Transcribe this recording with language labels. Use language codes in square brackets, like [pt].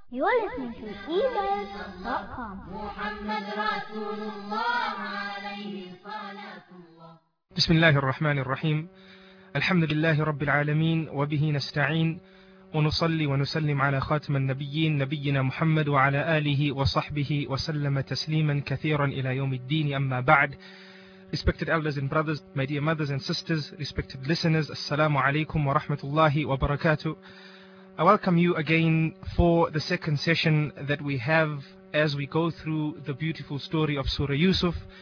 [en] You're listening to ebuzz.com. [ar] محمد رسول الله عليه الصلاة والسلام. بسم الله الرحمن الرحيم. الحمد لله رب العالمين وبه نستعين، ونصلي ونسلم على خاتم النبيين نبينا محمد وعلى آله وصحبه وسلم تسليما كثيرا إلى يوم الدين. أما بعد، [en] respected elders and brothers, my dear mothers and sisters, respected listeners, [ar] السلام عليكم ورحمة الله وبركاته. [en] I welcome you again for the second session that we have as we go through the beautiful story of Surah Yusuf.